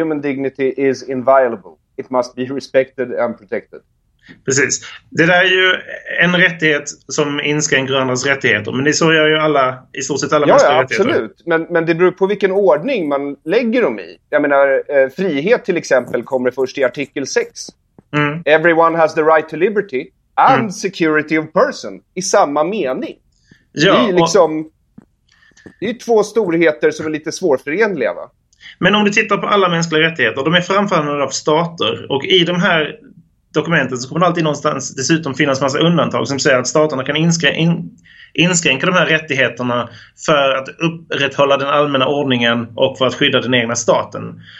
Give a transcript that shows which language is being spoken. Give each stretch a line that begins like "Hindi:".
English: Human dignity is inviolable. It must be respected and protected.
Swedish: Precis. Det där är ju en rättighet som inskränker andras rättigheter. Men det så gör ju alla, i stort sett alla mänskliga rättigheter. Ja, absolut. Men det beror på vilken ordning man lägger dem i. Jag menar, frihet till exempel kommer först i artikel 6.
English: Everyone has the right to liberty and security of person
Swedish: i samma mening. Ja, det är liksom, och... det är två storheter som är lite svårförenliga, va? Men om du tittar på alla mänskliga rättigheter, de är framförhandlade av stater. Och i de här dokumenten så kommer det alltid någonstans dessutom finnas massa undantag som säger att staterna kan inskränka de här rättigheterna för att upprätthålla den allmänna ordningen och för att skydda den egna staten.